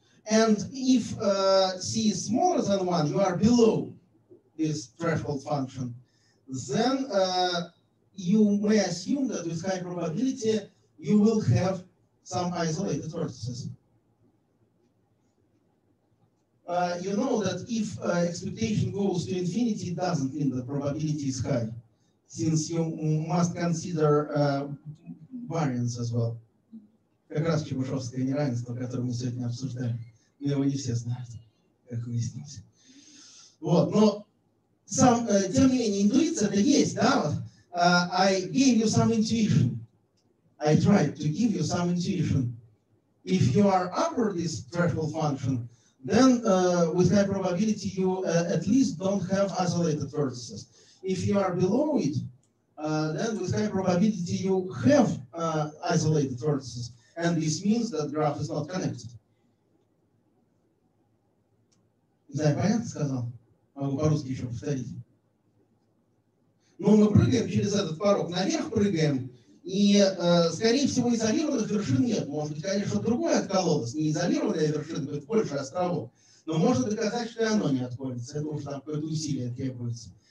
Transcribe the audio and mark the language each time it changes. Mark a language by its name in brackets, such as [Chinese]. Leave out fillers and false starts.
[English] And if c is smaller than 1, you are below this threshold function, then you may assume that with high probability, you will have some isolated vertices. You know that if expectation goes to infinity, it doesn't mean that probability is high, since you must consider variance as well. [Russian] Как раз Чебышевское неравенство, которое мы сегодня обсуждаем. Но его не все знают, как выяснилось. Вот, но сам, тем не менее, интуиция-то есть, да? [English] Вот, I gave you some intuition. I tried to give you some intuition. If you are upper this threshold function, then with high probability, you at least don't have isolated vertices. If you are below it, then with high probability, you have isolated vertices. And this means that graph is not connected. [Russian] Да, я понятно сказал? Могу по-русски еще повторить. Но мы прыгаем через этот порог, наверх прыгаем, и, скорее всего, изолированных вершин нет. Может быть, конечно, другое откололось, не изолированная вершина, будет больше островов. Но можно доказать, что и оно не отколется. Это уже там какое-то усилие требуется.